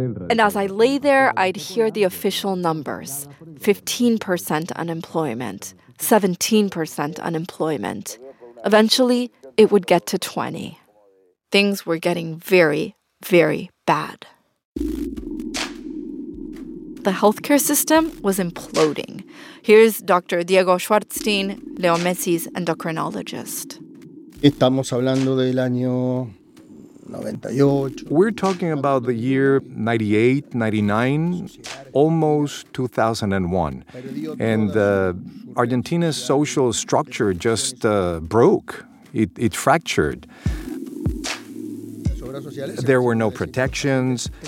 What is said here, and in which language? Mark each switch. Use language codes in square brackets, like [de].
[en] And as I lay there, I'd hear the official numbers, 15% unemployment, 17% unemployment. Eventually, it would get to 20. Things were getting very, very bad. The healthcare system was imploding. Here's Dr. Diego Schwartzstein, Leo Messi's endocrinologist. [es] Estamos hablando del año 98. [en] We're talking about the year 98, 99, almost 2001. And Argentina's social structure just broke. It fractured. There were no protections.